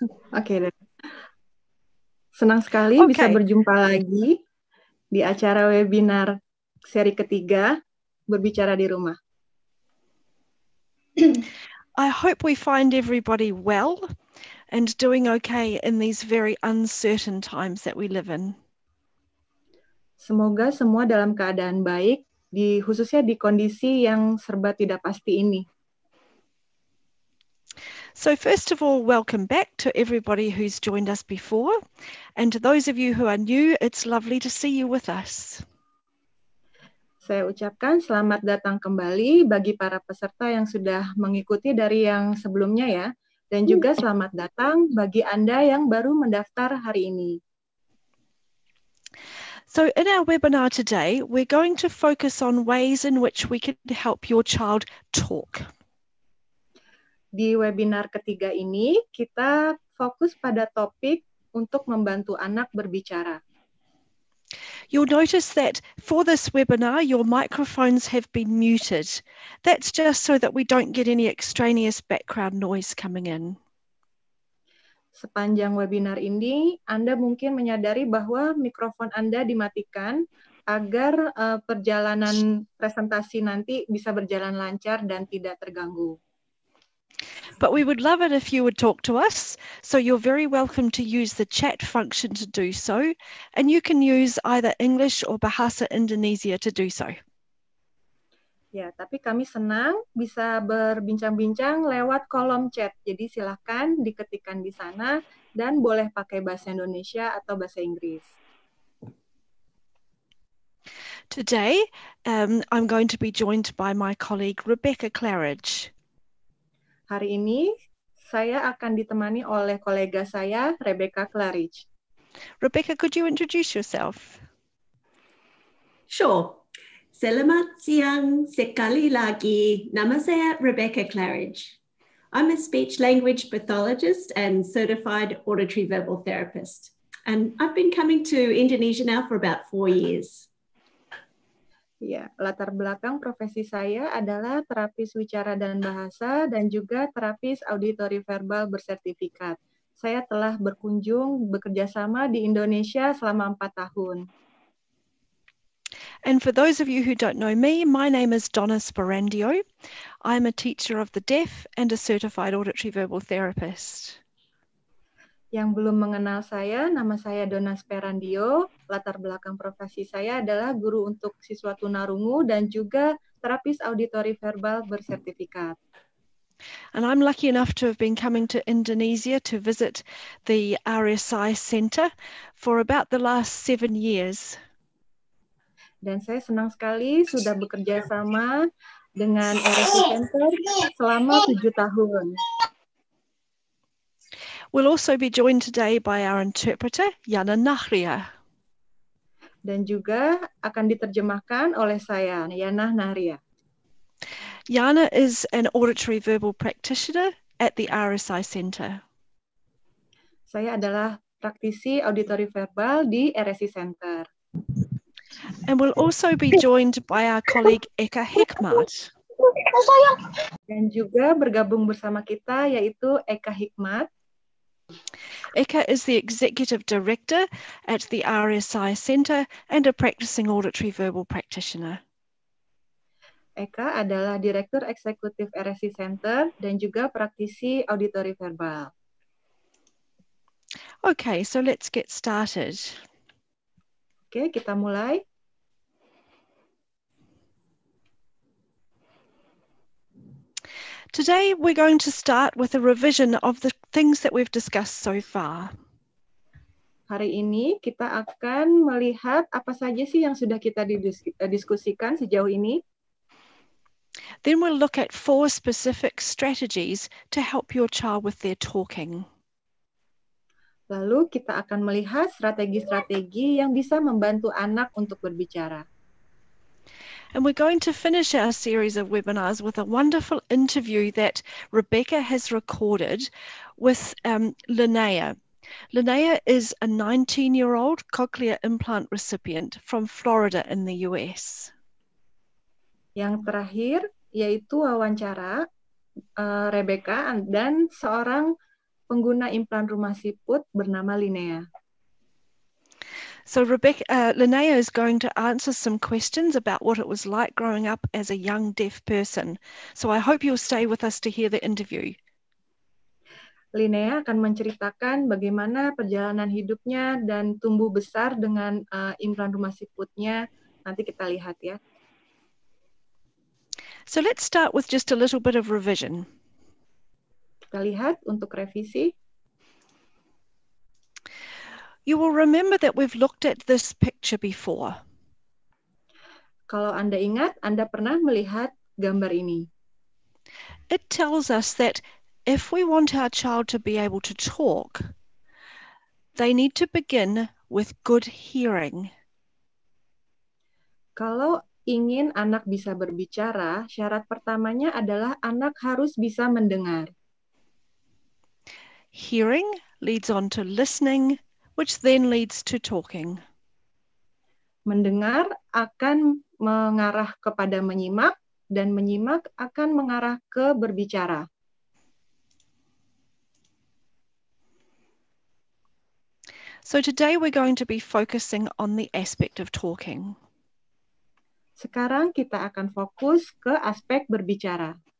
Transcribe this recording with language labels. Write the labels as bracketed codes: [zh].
[id] Okay. Senang sekali okay. Bisa berjumpa lagi di acara webinar seri ketiga Berbicara di Rumah. [en] I hope we find everybody well and doing okay in these very uncertain times that we live in. [id] Semoga semua dalam keadaan baik, di khususnya di kondisi yang serba tidak pasti ini. [en] So first of all, welcome back to everybody who's joined us before, and to those of you who are new, it's lovely to see you with us. [id] Saya ucapkan selamat datang kembali bagi para peserta yang sudah mengikuti dari yang sebelumnya ya. Dan juga selamat datang bagi Anda yang baru mendaftar hari ini. [en] So in our webinar today, we're going to focus on ways in which we can help your child talk. [id] Di webinar ketiga ini, kita fokus pada topik untuk membantu anak berbicara. [en] You'll notice that for this webinar, your microphones have been muted. That's just so that we don't get any extraneous background noise coming in. [id] Sepanjang webinar ini, Anda mungkin menyadari bahwa mikrofon Anda dimatikan agar perjalanan presentasi nanti bisa berjalan lancar dan tidak terganggu. [en] But we would love it if you would talk to us, so you're very welcome to use the chat function to do so, and you can use either English or Bahasa Indonesia to do so. [id] Ya, tapi kami senang bisa berbincang-bincang lewat kolom chat, jadi silakan diketikkan di sana dan boleh pakai bahasa Indonesia atau bahasa Inggris. [en] Today, I'm going to be joined by my colleague Rebecca Claridge. [id] Hari ini saya akan ditemani oleh kolega saya, Rebecca Claridge. [en] Rebecca, could you introduce yourself? Sure. [id] Selamat siang sekali lagi. Nama saya Rebecca Claridge. [en] I'm a speech language pathologist and certified auditory verbal therapist. And I've been coming to Indonesia now for about 4 years. [id] Ya, latar belakang profesi saya adalah terapis wicara dan bahasa dan juga terapis auditory-verbal bersertifikat. Saya telah berkunjung bekerja sama di Indonesia selama 4 tahun. [en] And for those of you who don't know me, my name is Donna Sparandio. I'm a teacher of the deaf and a certified auditory-verbal therapist. [id] Yang belum mengenal saya, nama saya Donna Sparandio. Latar belakang profesi saya adalah guru untuk siswa tunarungu dan juga terapis auditory verbal bersertifikat. [en] And I'm lucky enough to have been coming to Indonesia to visit the RSI Center for about the last 7 years. [id] Dan saya senang sekali sudah bekerja sama dengan RSI Center selama 7 tahun. [en] We'll also be joined today by our interpreter, Yana Nahria. [id] Dan juga akan diterjemahkan oleh saya, Yana Nahria. [en] Yana is an auditory verbal practitioner at the RSI Center. [id] Saya adalah praktisi auditory verbal di RSI Center. [en] And we'll also be joined by our colleague Eka Hikmat. [id] Dan juga bergabung bersama kita yaitu Eka Hikmat. [en] Eka is the executive director at the RSI Center and a practicing auditory verbal practitioner. [id] Eka adalah direktur eksekutif RSI Center dan juga praktisi auditory verbal. [en] Okay, so let's get started. [id] Oke, kita mulai. [en] Today we're going to start with a revision of the things that we've discussed so far. [id] Hari ini kita akan melihat apa saja sih yang sudah kita diskusikan sejauh ini. [en] Then we'll look at four specific strategies to help your child with their talking. [id] Lalu kita akan melihat strategi-strategi yang bisa membantu anak untuk berbicara. [en] And we're going to finish our series of webinars with a wonderful interview that Rebecca has recorded with Linnea. Linnea is a 19-year-old cochlear implant recipient from Florida in the US. [id] Yang terakhir yaitu wawancara Rebecca dan seorang pengguna implan rumah siput bernama Linnea. [en] So Rebecca, Linnea is going to answer some questions about what it was like growing up as a young deaf person. So I hope you'll stay with us to hear the interview. [id] Linnea akan menceritakan bagaimana perjalanan hidupnya dan tumbuh besar dengan implan rumah siputnya. Nanti kita lihat ya. [en] So let's start with just a little bit of revision. [id] Kita lihat untuk revisi. [en] You will remember that we've looked at this picture before. [id] Kalau Anda ingat, Anda pernah melihat gambar ini. [en] It tells us that if we want our child to be able to talk, they need to begin with good hearing. [id] Kalau ingin anak bisa berbicara, syarat pertamanya adalah anak harus bisa mendengar. [en] Hearing leads on to listening, which then leads to talking. [id] Mendengar akan mengarah kepada menyimak, dan menyimak akan mengarah ke berbicara. [en] So today we're going to be focusing on the aspect of talking. [id] Sekarang kita akan fokus ke aspek berbicara.